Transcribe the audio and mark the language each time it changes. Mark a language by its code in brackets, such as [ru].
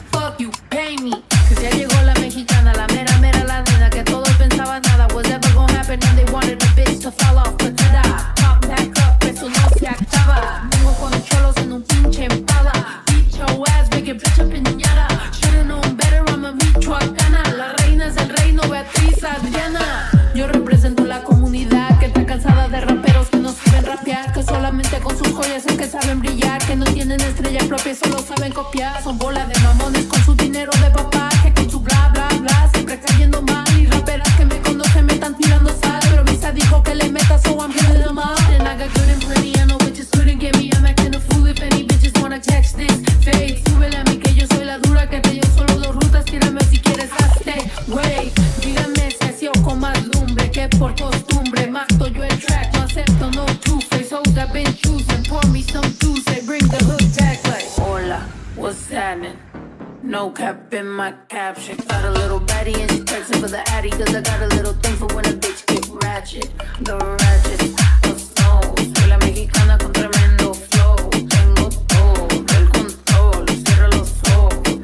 [en] Fuck you, pay me. [es] Que ya llegó la mexicana, la mera mera, la nena, que todos pensaban nada. [en] Was ever gonna happen and they wanted a bitch to fall off, but ta-da. Pop back up, [es] eso no se acaba. Vengo con los cholos en un pinche empada. [en] Beat your ass, make a bitch a piñata. Should've known better, I'm a michoacana. [es] La reina es el reino, Beatriz Adriana. Yo represento la comunidad que está cansada de raperos que no saben rapear, que solamente con sus joyas es que saben brillar, que no tienen estrella propia y solo saben copiar. Son bola de mamones con su dinero de papá, que con su bla bla bla siempre cayendo mal. Y raperas que me conocen me están tirando sal, pero Misa dijo que le meta, [en] so I'm feeling them up. And I got good and plenty, I know bitches couldn't get me. I'm acting a fool if any bitches wanna catch this fade. [es] Súbele a mí que yo soy la dura, que te dio solo dos rutas, tírame si quieres, hazte wey. Dígame si así o con más lumbre, que por costumbre mato yo el track. No acepto [en] no two-face, hoes I've been choosing. Pour me some juice, they bring the hook back like, hola, what's happening? No cap in my caption. Got a little baddie and she texting for the addy, cause I got a little thing for when a bitch get ratchet. The ratchet, the snow. [es] Soy la mexicana con tremendo flow. Tengo todo el control, cierra los ojos.